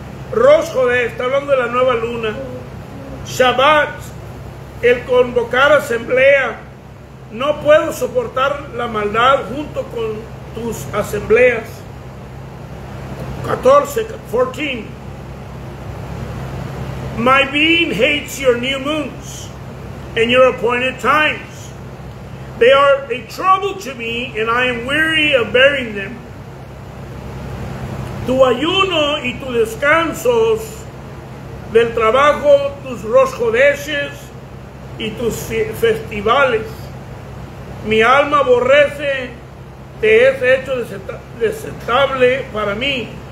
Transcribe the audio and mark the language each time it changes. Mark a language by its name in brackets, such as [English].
[Spanish] Rosh Chodesh, está hablando de la nueva luna. Shabbat, el convocar asamblea. No puedo soportar la maldad junto con tus asambleas. 14. [English] My being hates your new moons and your appointed times. They are a trouble to me and I am weary of bearing them. [Spanish] Tu ayuno y tus descansos del trabajo, tus Rosh Chodeshes y tus festivales. Mi alma aborrece, te es hecho desestable para mí.